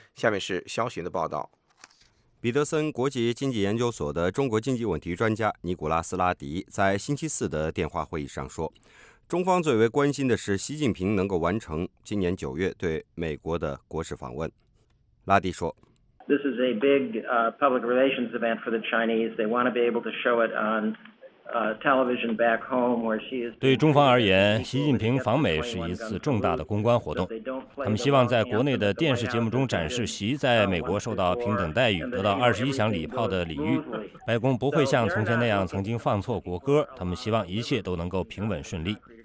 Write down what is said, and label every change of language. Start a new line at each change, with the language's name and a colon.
Chinese: 下面是肖寻的报道。彼得森国际经济研究所的中国经济问题专家尼古拉斯拉迪在星期四的电话会议上说，中方最为关心的是习近平能够完成今年九月对美国的国事访问。拉迪说，
English: This is a big public relations event for the Chinese. They want to be able to show it on television back home where she is.
Chinese: 对中方而言，习近平访美是一次重大的公关活动。他们希望在国内的电视节目中展示习在美国受到平等待遇，得到21响礼炮的礼遇。白宫不会像从前那样曾经放错国歌，他们希望一切都能够平稳顺利。